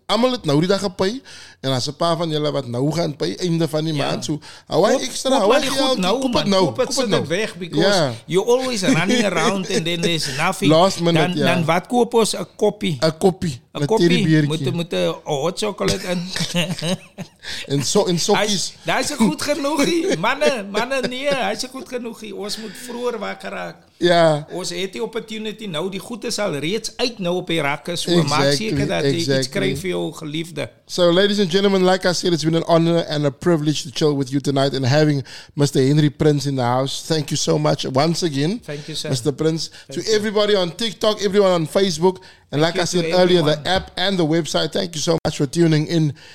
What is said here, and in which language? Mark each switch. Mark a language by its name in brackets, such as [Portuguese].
[Afrikaans] Almal het nou die dag gepay, en as 'n paar van julle wat nou gaan pay einde van die maand, so hou hy ekstra, hou hy geld, koop het nou weg, [English] because you always running around and then there's nothing. Last minute, [Afrikaans] dan wat koop ons? A koppie. Moet een hot chocolate in. en sokkies. Hy is goed genoeg, hy is goed genoeg. Ons moet vroeër wakker raak. Ja. Ons het die opportunity nou, die goed is al reeds uit nou op die rakke, so exactly, maak seker dat jy exactly iets kry vir jou geliefde. [English] So, ladies and gentlemen, like I said, it's been an honor and a privilege to chill with you tonight and having Mr. Henry Prince in the house. Thank you so much once again. Thank you, sir. Mr. Prince. Everybody on TikTok, everyone on Facebook, and like I said earlier, the app and the website, thank you so much for tuning in.